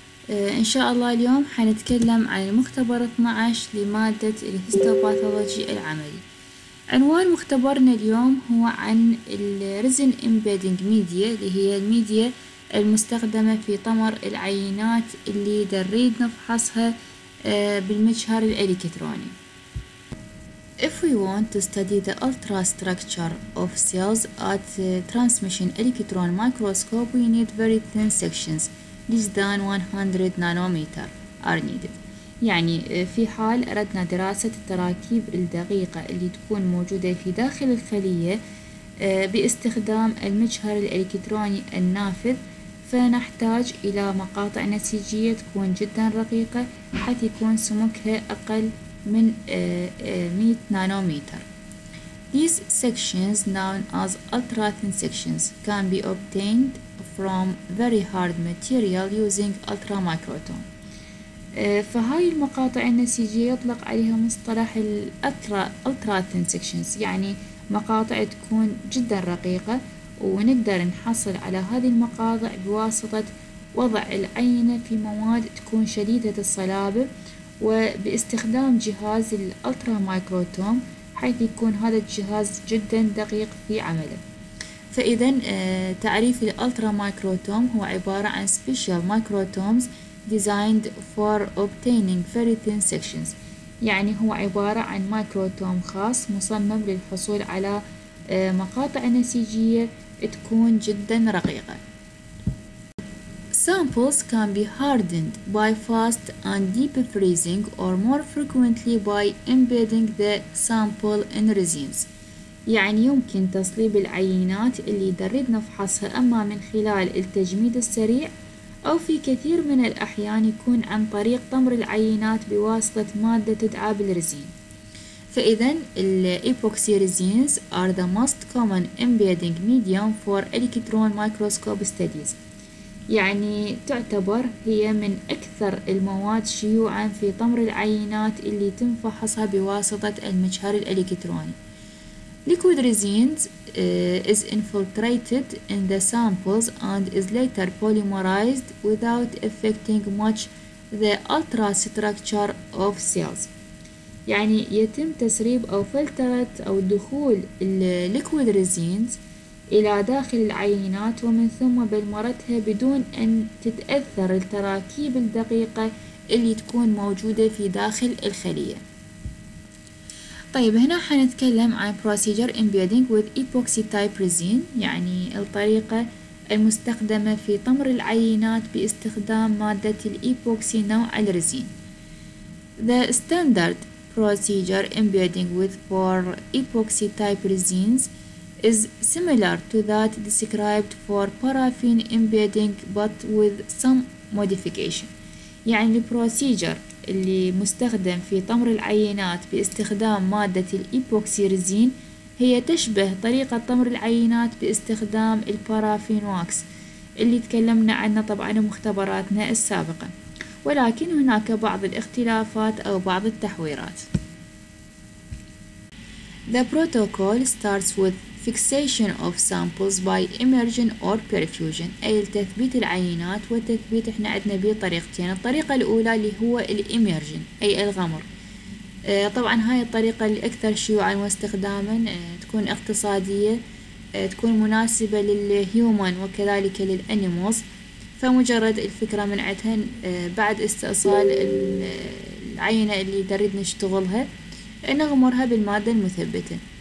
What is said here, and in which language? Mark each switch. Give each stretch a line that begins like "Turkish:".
Arabic: إن شاء الله اليوم حنتكلم عن المختبر 12 لمادة الهيستوباثولوجي العملي. عنوان مختبرنا اليوم هو عن الريزن إمبيدينج ميديا، اللي هي الميديا المستخدمة في طمر العينات اللي دريد نفحصها بالمجهر الإلكتروني.
English: If we want to study the ultrastructure of cells at transmission electron microscope, we need very thin sections, less than 100 nanometer are needed.
Arabic: يعني في حال أردنا دراسة التراكيب الدقيقة اللي تكون موجودة في داخل الخلية باستخدام المجهر الإلكتروني النافذ، فنحتاج إلى مقاطع نسيجية تكون جدا رقيقة حيث يكون سمكها أقل من 100 نانومتر.
English: These sections known as ultra thin sections can be obtained from very hard material using ultra microton.
Arabic: فهاي المقاطع النسيجية يطلق عليها مصطلح ultra thin sections، يعني مقاطع تكون جدا رقيقة، ونقدر نحصل على هذه المقاطع بواسطة وضع العينة في مواد تكون شديدة الصلابة وباستخدام جهاز الألترا مايكروتوم، حيث يكون هذا الجهاز جدا دقيق في عمله. فإذا تعريف الألترا مايكروتوم هو عبارة عن
English: special microtomes designed for obtaining very thin sections،
Arabic: يعني هو عبارة عن مايكروتوم خاص مصمم للحصول على مقاطع نسيجية تكون جدا رقيقة.
English: Samples can be hardened by fast and deep freezing or more frequently by embedding the sample in resins.
Arabic: يعني يمكن تصليب العينات اللي دريد نفحصها اما من خلال التجميد السريع، او في كثير من الاحيان يكون عن طريق طمر العينات بواسطة مادة تدعى بالرزين. فاذا الايبوكسي
English: resins are the most common embedding medium for electron microscope studies.
Arabic: يعني تعتبر هي من أكثر المواد شيوعاً في طمر العينات اللي تنفحصها بواسطة المجهر الإلكتروني.
English: Liquid resins is infiltrated in the samples and is later polymerized without affecting much the ultra structure of cells.
Arabic: يعني يتم تسريب أو فلترة أو دخول الليكويد resins إلى داخل العينات، ومن ثم بلمرتها بدون أن تتأثر التراكيب الدقيقة اللي تكون موجودة في داخل الخلية. طيب هنا حنتكلم عن
English: procedure embedding with epoxy type resin،
Arabic: يعني الطريقة المستخدمة في طمر العينات باستخدام مادة الإيبوكسي نوع الرزين.
English: The standard procedure embedding with for epoxy type resins is similar to that described for paraffin embedding but with some modification.
Arabic: يعني البروسيجر اللي مستخدم في طمر العينات باستخدام مادة الإيبوكسي رزين هي تشبه طريقة طمر العينات باستخدام البارافين واكس اللي تكلمنا عنه طبعا مختبراتنا السابقة، ولكن هناك بعض الاختلافات أو بعض التحويرات.
English: The protocol starts with fixation of samples by immersion or perfusion،
Arabic: أي التثبيت العينات والتثبيت احنا عندنا به طريقتين. الطريقة الأولى اللي هو الإميرجن أي الغمر، طبعا هاي الطريقة الأكثر شيوعا واستخداما، تكون اقتصادية، تكون مناسبة للهيومن وكذلك للأنيموس. فمجرد الفكرة من عندهن بعد استئصال العينة اللي دريد نشتغلها نغمرها بالمادة المثبتة.